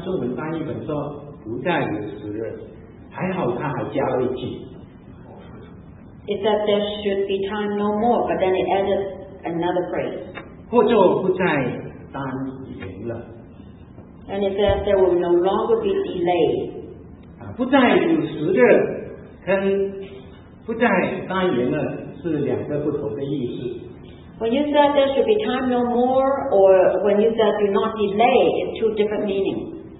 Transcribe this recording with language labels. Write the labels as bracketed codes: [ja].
[zh] 中文翻译本说不再有时日。还好他还加了一句 [en] It said there should be time no more, but then it added another phrase. [zh] 或者不再耽延了 [en] And it said there will no longer be delay. [zh] 不再有时日跟不再耽延了是两个不同的意思 [en] When you said there should be time no more, or when you said do not delay, it's two different meanings.